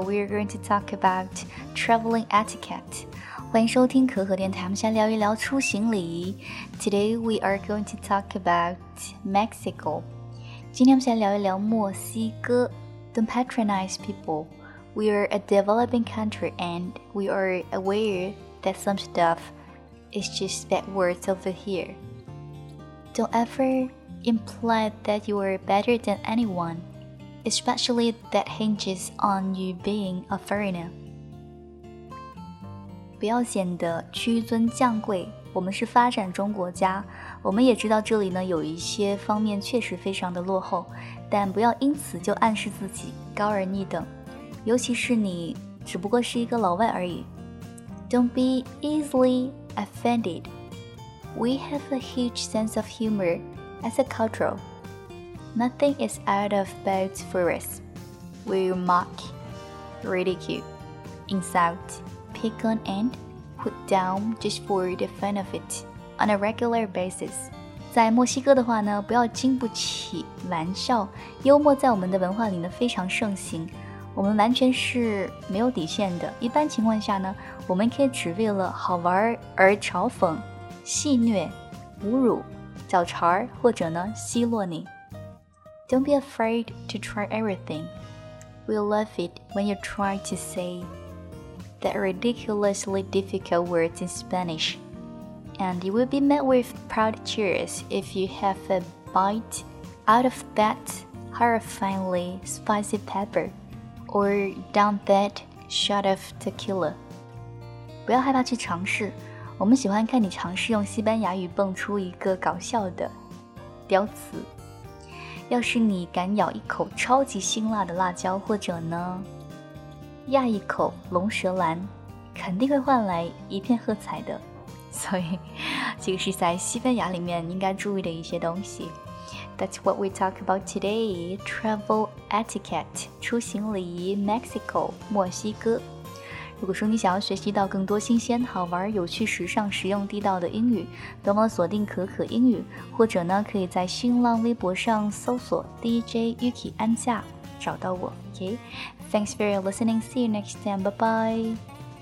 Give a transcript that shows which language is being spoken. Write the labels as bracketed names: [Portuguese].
[English] We are going to talk about traveling etiquette. [Chinese] 欢迎收听可可电台，我们先聊一聊出行礼仪。 [English] Today we are going to talk about Mexico. [Chinese] 今天我们先聊一聊墨西哥。 [English] Don't patronize people. We are a developing country and we are aware that some stuff is just bad words over here. Don't ever imply that you are better than anyone. Especially that hinges on you being a foreigner. [Chinese] 不要显得屈尊降贵，我们是发展中国家，我们也知道这里呢有一些方面确实非常的落后，但不要因此就暗示自己高人一等，尤其是你只不过是一个老外而已。 [English] Don't be easily offended. We have a huge sense of humor as a culture. Nothing is out of bounds for us. We mock, ridicule, insult, pick on and put down just for the fun of it on a regular basis. [Chinese] 在墨西哥的话呢，不要经不起玩笑，幽默在我们的文化里呢非常盛行，我们完全是没有底线的。一般情况下呢，我们可以只为了好玩而嘲讽、戏虐、侮辱、找茬或者呢奚落你。 [English] Don't be afraid to try everything. We'll love it when you try to say the ridiculously difficult words in Spanish. And you will be met with proud cheers if you have a bite out of that horrifyingly spicy pepper or down that shot of tequila. [Chinese] 不要害怕去尝试，我们喜欢看你尝试用西班牙语蹦出一个搞笑的屌词。要是你敢咬一口超级辛辣的辣椒，或者呢，压一口龙舌兰，肯定会换来一片喝彩的。所以，这个是在西班牙里面应该注意的一些东西。 [English] That's what we talk about today. Travel etiquette, [Chinese] 出行礼仪 [English] Mexico, [Chinese] 墨西哥。如果说你想要学习到更多新鲜、好玩、有趣、时尚、实用、地道的英语，别忘锁定可可英语，或者呢，可以在新浪微博上搜索 DJ Yuki 安夏，找到我。OK, [English] thanks for listening. See you next time. Bye bye.